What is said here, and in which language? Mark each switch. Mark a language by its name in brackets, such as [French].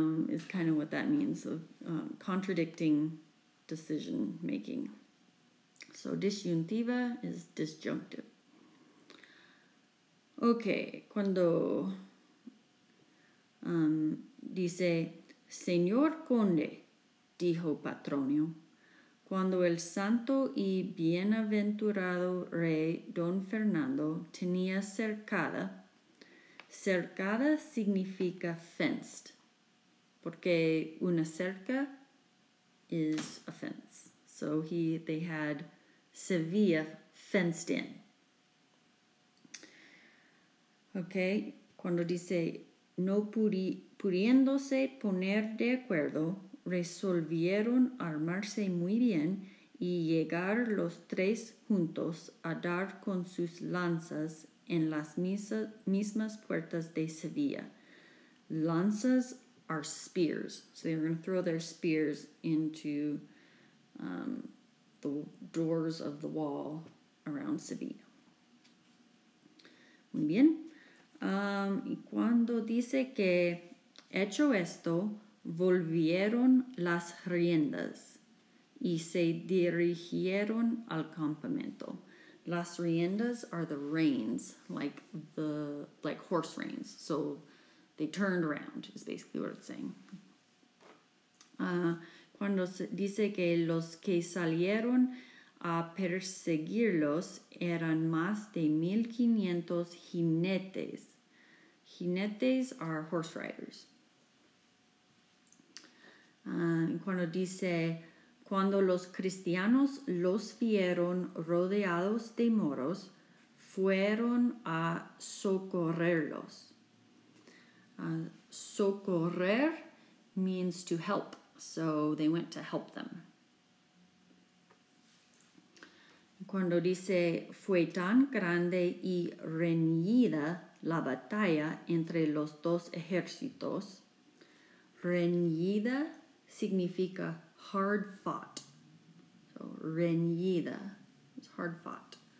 [English] is kind of what that means, of contradicting decision making. So disyuntiva is disjunctive. [Spanish] Okay, cuando dice, Señor Conde, dijo Patronio, cuando el santo y bienaventurado rey Don Fernando tenía cercada, cercada significa fenced, porque una cerca [English] is a fence. So they had Sevilla fenced in. [Spanish] Okay, cuando dice, no pudiéndose poner de acuerdo, resolvieron armarse muy bien y llegar los tres juntos a dar con sus lanzas en las mismas puertas de Sevilla. [English] Lanzas are spears. So they're going to throw their spears into the doors of the wall around Sevilla. [Spanish] Muy bien. Y cuando dice que hecho esto, volvieron las riendas y se dirigieron al campamento. [English] Las riendas are the reins, like horse reins. So they turned around, is basically what it's saying. [Spanish] Cuando dice que los que salieron a perseguirlos eran más de 1,500 jinetes. [English] Jinetes are horse riders. [Spanish] Cuando dice, cuando los cristianos los vieron rodeados de moros, fueron a socorrerlos. [English] Socorrer means to help, so they went to help them. [Spanish] Cuando dice, fue tan grande y reñida la batalla entre los dos ejércitos. Reñida significa [English] hard fought. So, reñida is hard fought.